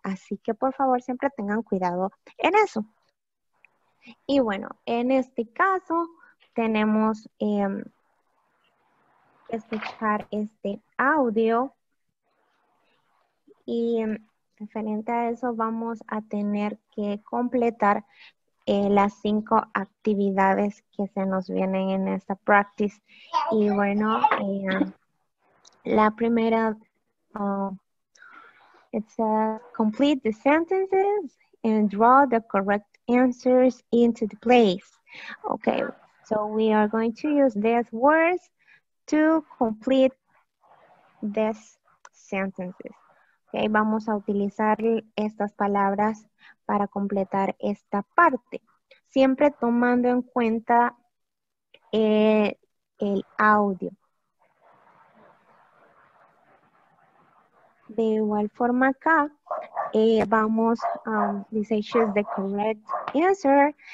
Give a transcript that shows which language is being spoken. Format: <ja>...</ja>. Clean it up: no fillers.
<es>Así que por favor, siempre tengan cuidado en eso. Y bueno, en este caso tenemos que escuchar este audio. Y referente a eso vamos a tener que completar las 5 actividades que se nos vienen en esta practice. Y bueno, la primera,</es> <en>it says, complete the sentences and draw the correct answers into the place. Okay, so we are going to use these words to complete these sentences.</en> <es>Okay, vamos a utilizar estas palabras para completar esta parte, siempre tomando en cuenta el audio. De igual forma acá, vamos, dice,</es> <en>she's the correct answer.</en>